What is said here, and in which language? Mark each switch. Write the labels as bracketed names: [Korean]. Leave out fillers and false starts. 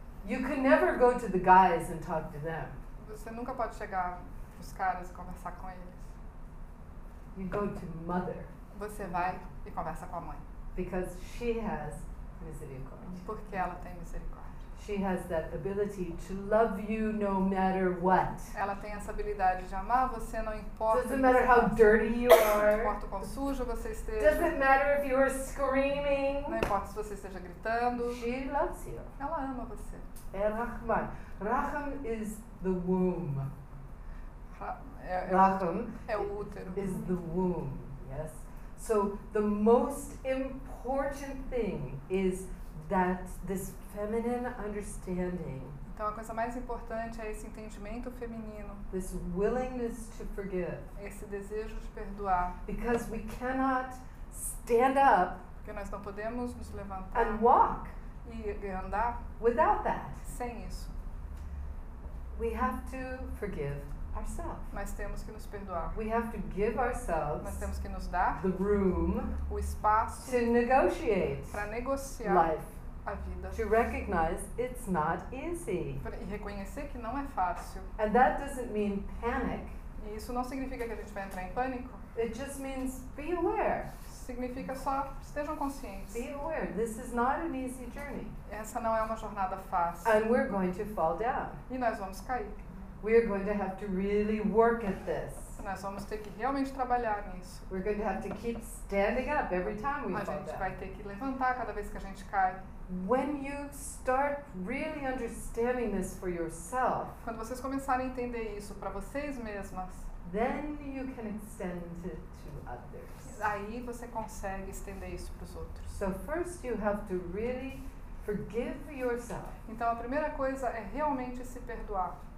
[English] You can never go to the guys and talk to them. [Portuguese] Você nunca pode chegar pros caras e conversar com eles. [English] You go to mother. [Portuguese] Você vai e conversa com a mãe. [English] Because she has misericórdia. [Portuguese] Porque ela tem misericórdia. [English] She has that ability to love you no matter what. [Portuguese] Ela tem essa habilidade de amar você não importa. [English] Doesn't matter how dirty you are. [Portuguese] Não importa quão sujo você esteja. [English] Doesn't matter if you are screaming. [Portuguese] Não importa se você esteja gritando. [English] She loves you. [Portuguese] Ela ama você. [English] É Rahman. Rahman is the womb. [Portuguese] Rahman é o útero. [English] Is the womb. Yes. So the most important thing is that this feminine understanding. [Portuguese] Então a coisa mais importante é esse entendimento feminino. [English] This willingness to forgive. [Portuguese] Esse desejo de perdoar. [English] Because we cannot stand up. [Portuguese] Porque nós não podemos nos levantar. [English] And walk. [Portuguese] E andar. [English] Without that. [Portuguese] Sem isso. [English] We have to forgive ourselves. [Portuguese] Nós temos que nos perdoar. [English] We have to give ourselves. [Portuguese] Nós temos que nos dar. [English] The room. [Portuguese] O espaço. [English] To negotiate. [Portuguese] Para negociar. [English] Life. [Portuguese] A vida. [English] To recognize it's not easy. [Portuguese] E reconhecer que não é fácil. [English] And that doesn't mean panic. [Portuguese] E isso não significa que a gente vai entrar em pânico. [English] It just means be aware. [Portuguese] Significa só estejam conscientes. [English] Be aware. This is not an easy journey. [Portuguese] Essa não é uma jornada fácil. [English] And we're going to fall down. [Portuguese] E nós vamos cair. [English] We are going to have to really work at this. [Portuguese] Nós vamos ter que realmente trabalhar nisso. [English] We're going to have to keep standing up every time we fall down. [Portuguese] A gente vai ter que levantar cada vez que a gente cai. [English] When you start really understanding this for yourself, [Portuguese] quando vocês começarem a entender isso para vocês mesmas, [English] then you can extend it to others. [Portuguese] Aí você consegue estender isso para os outros. [English] So first you have to really forgive yourself. [Portuguese] Então a primeira coisa é realmente se perdoar.